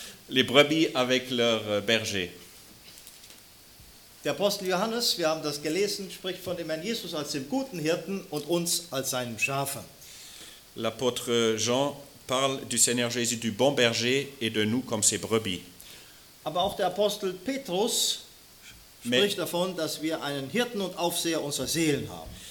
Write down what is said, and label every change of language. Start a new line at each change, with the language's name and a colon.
French: Les brebis avec leurs bergers.
German: Der Apostel Johannes, wir haben das gelesen, spricht von dem Herrn Jesus als dem guten Hirten und uns als seinem Schafen.
French: L'apôtre Jean parle du Seigneur Jésus du bon berger et de nous comme ses brebis.
German: Aber auch der Apostel Petrus spricht davon, dass wir einen Hirten und Aufseher unserer Seelen haben.